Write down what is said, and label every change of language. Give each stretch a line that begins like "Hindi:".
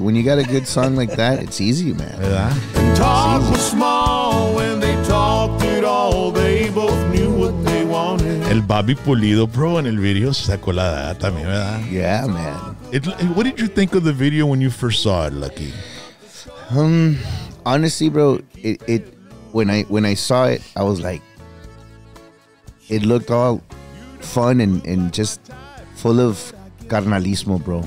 English: When you got a good song like that, it's easy, man.
Spanish: ¿Verdad?
English: Talk was small when they talked it all. They both knew what they wanted.
Spanish: El Bobby Pulido, bro, en el video sacó la data también, ¿verdad?
English: Yeah, man. What did you think of the video when you first saw it, Lucky? Honestly, bro, when I saw it, I was like, it looked all fun and just full of carnalismo, bro.